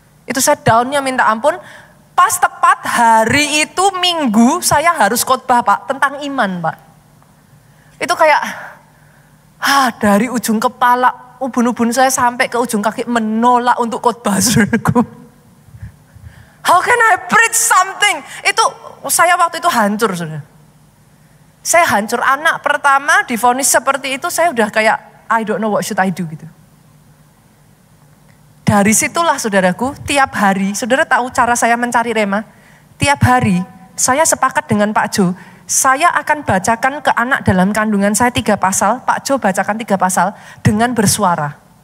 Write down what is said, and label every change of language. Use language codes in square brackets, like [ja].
[id] Itu saya down-nya minta ampun, pas tepat hari itu minggu saya harus khotbah pak, tentang iman pak. Itu kayak, dari ujung kepala ubun-ubun saya sampai ke ujung kaki menolak untuk khotbah saudaraku. [en] How can I preach something? [id] Itu saya waktu itu hancur saudara. Saya hancur, anak pertama divonis seperti itu saya udah kayak, [en] I don't know what should I do [id] gitu. Dari situlah saudaraku, tiap hari, saudara tahu cara saya mencari rema? Tiap hari, saya sepakat dengan Pak Jo, saya akan bacakan ke anak dalam kandungan saya 3 pasal, Pak Jo bacakan 3 pasal dengan bersuara.